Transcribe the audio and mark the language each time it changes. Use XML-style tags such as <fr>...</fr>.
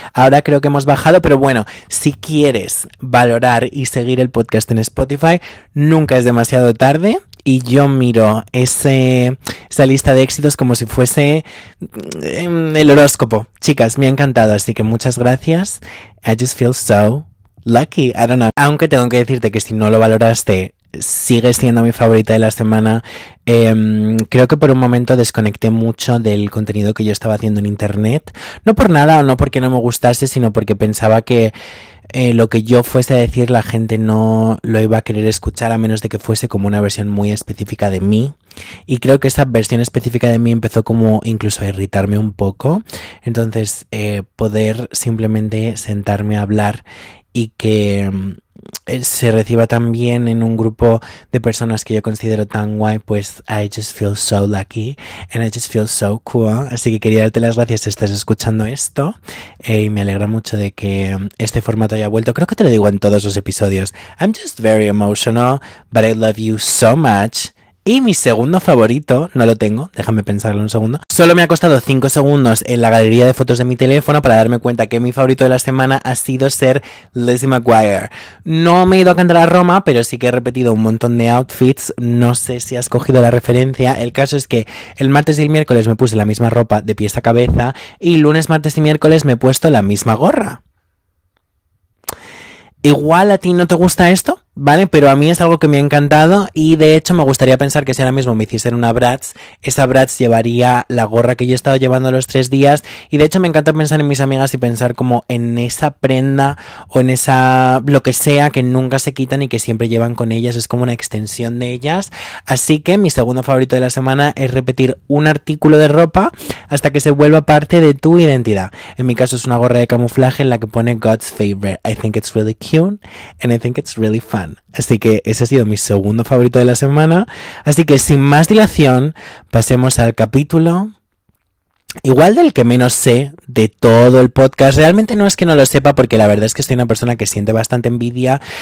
<es>Ahora creo que hemos bajado, pero bueno, si quieres valorar y seguir el podcast en Spotify, nunca es demasiado tarde. Y yo miro esa lista de éxitos como si fuese el horóscopo. Chicas, me ha encantado, así que muchas gracias.</es> <en>I just feel so lucky. I don't know.</en> <es>Aunque tengo que decirte que si no lo valoraste, sigue siendo mi favorita de la semana. Creo que por un momento desconecté mucho del contenido que yo estaba haciendo en internet. No por nada o no porque no me gustase, sino porque pensaba que lo que yo fuese a decir, la gente no lo iba a querer escuchar a menos de que fuese como una versión muy específica de mí. Y creo que esa versión específica de mí empezó como incluso a irritarme un poco. Entonces, poder simplemente sentarme a hablar y que se reciba tan bien en un grupo de personas que yo considero tan guay, pues</es> <en>I just feel so lucky and I just feel so cool.</en> <es>Así que quería darte las gracias si estás escuchando esto y me alegra mucho de que este formato haya vuelto. Creo que te lo digo en todos los episodios.</es> <en>I'm just very emotional, but I love you so much.</en> <es>Y mi segundo favorito, no lo tengo, déjame pensarlo un segundo. Solo me ha costado 5 segundos en la galería de fotos de mi teléfono para darme cuenta que mi favorito de la semana ha sido ser Lizzie McGuire. No me he ido a cantar a Roma, pero sí que he repetido un montón de outfits. No sé si has cogido la referencia. El caso es que el martes y el miércoles me puse la misma ropa de pies a cabeza y lunes, martes y miércoles me he puesto la misma gorra. Igual a ti no te gusta esto, ¿vale? Pero a mí es algo que me ha encantado y de hecho me gustaría pensar que si ahora mismo me hiciesen una Bratz, esa Bratz llevaría la gorra que yo he estado llevando los 3 días y de hecho me encanta pensar en mis amigas y pensar como en esa prenda o en esa lo que sea que nunca se quitan y que siempre llevan con ellas, es como una extensión de ellas. Así que mi segundo favorito de la semana es repetir un artículo de ropa hasta que se vuelva parte de tu identidad. En mi caso es una gorra de camuflaje en la que pone God's favorite.</es> <en>I think it's really cute and I think it's really fun.</en> <es>Así que ese ha sido mi segundo favorito de la semana. Así que sin más dilación, pasemos al capítulo. Igual del que menos sé de todo el podcast. Realmente no es que no lo sepa, porque la verdad es que soy una persona que siente bastante envidia.</es>